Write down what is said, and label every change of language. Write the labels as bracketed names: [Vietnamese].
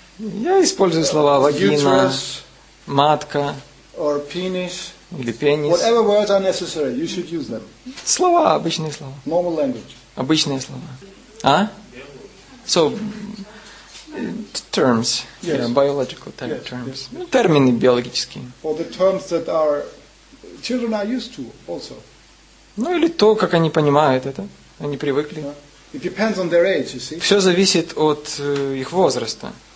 [Russian] Я использую слова вагина, матка. [English] Or penis. [Russian] Или пенис. [English] Whatever words are necessary, you should use them. [Russian] Слова, обычные слова. [English] Normal language. [Russian] Обычные слова. А? [English] So, terms. Yes. Yeah, biological type yes, terms. Yes. [Russian] Термины биологические. [English] Or the terms that are children are used to also. [Russian] Ну или то, как они понимают это. Они привыкли. [English] It depends on their age, you see. [Russian] Все зависит от их возраста.